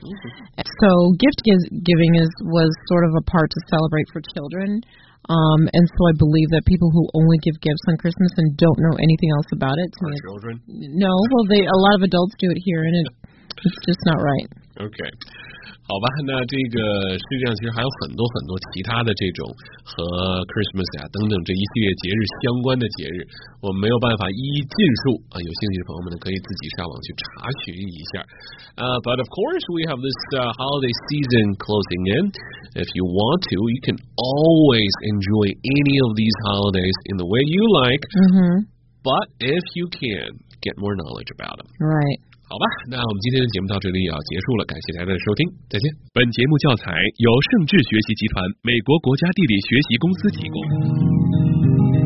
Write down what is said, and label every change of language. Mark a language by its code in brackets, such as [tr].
[en] Mm-hmm. So gift giving was sort of a part to celebrate for children. And so I believe that people who only give gifts on Christmas and don't know anything else about it. For children? No, well, a lot of adults do it here, and it's just not right. Okay. [zh] 好吧，那这个世界上其实还有很多很多其他的这种和 Christmas 啊等等这一系列节日相关的节日，我们没有办法一一尽数啊。有兴趣的朋友们呢，可以自己上网去查询一下。 [en] But of course, we have this holiday season closing in. If you want to, you can always enjoy any of these holidays in the way you like. But if you can, get more knowledge about them. Right. [zh] 好吧，那我们今天的节目到这里也要结束了，感谢大家的收听，再见。本节目教材由盛智学习集团美国国家地理学习公司提供。